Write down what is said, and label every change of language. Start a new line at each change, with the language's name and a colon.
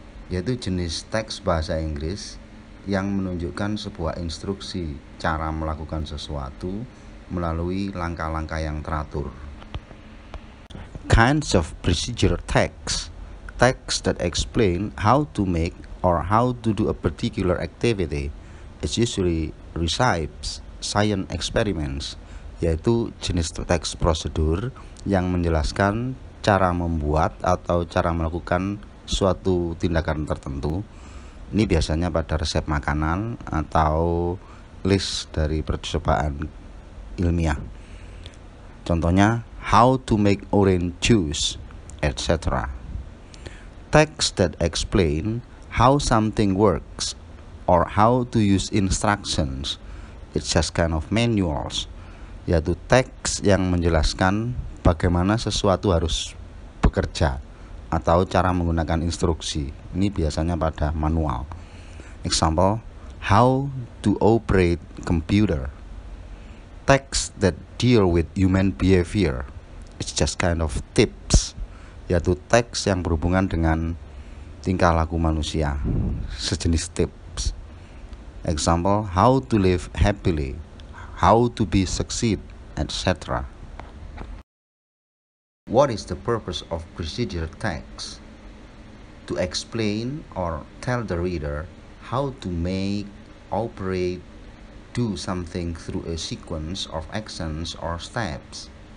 Indonesian: Yaitu jenis teks bahasa Inggris yang menunjukkan sebuah instruksi cara melakukan sesuatu melalui langkah-langkah yang teratur.
English: Kinds of procedure text. Text that explain how to make or how to do a particular activity. It's usually recipes, science experiments,
Indonesian: yaitu jenis teks prosedur yang menjelaskan cara membuat atau cara melakukan suatu tindakan tertentu. Ini biasanya pada resep makanan atau list dari percobaan ilmiah.
English: Contohnya, how to make orange juice, etc. Text that explain how something works or how to use instructions. It's just kind of manuals,
Indonesian: yaitu teks yang menjelaskan bagaimana sesuatu harus bekerja atau cara menggunakan instruksi. Ini biasanya pada manual.
English: Example, how to operate computer. Text that deal with human behavior. It's just kind of tips,
Indonesian: yaitu teks yang berhubungan dengan tingkah laku manusia, sejenis tips.
English: Example, how to live happily, how to be succeed, etc. What is the purpose of procedure text? To explain or tell the reader how to make, operate, do something through a sequence of actions or steps.